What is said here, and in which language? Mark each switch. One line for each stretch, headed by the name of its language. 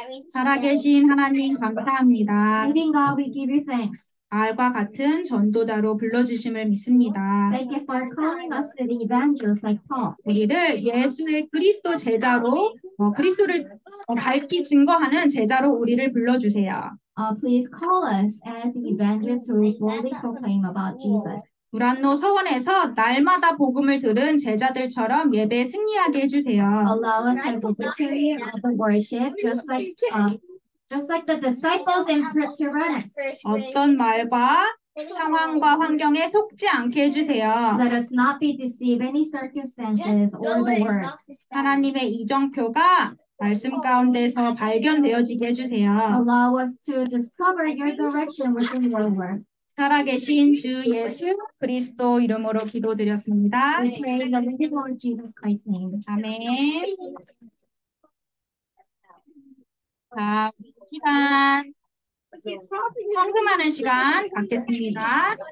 Korean: 살아계신 하나님 감사합니다.
English: Living God, we give you thanks.
Korean: 알과 같은 전도자로 불러주심을 믿습니다.
English: Thank you for calling us the evangelists like Paul.
Korean: 우리를 예수의 그리스도 제자로, 그리스도를 밝히 증거하는 제자로 우리를 불러주세요.
English: Please call us as the evangelists who boldly proclaim about Jesus.
Korean: 구란노 서원에서 날마다 복음을 들은 제자들처럼 예배 승리하게 해주세요.
English: Allow us as the church of the worship just like Just like the disciples in Tyrannus.
Korean: 어떤 말과 상황과 환경에 속지 않게 해주세요.
English: Let us not be deceived any circumstances or the words.
Korean: 하나님의 이정표가 말씀 가운데서 발견되어지게 해주세요.
English: Allow us to discover your direction within your word.
Korean: 살아계신 주 예수 그리스도 이름으로 기도드렸습니다.
English: We pray in the name of Lord Jesus Christ's name.
Korean: 아멘. 자, 시간 상금하는 시간 갖겠습니다.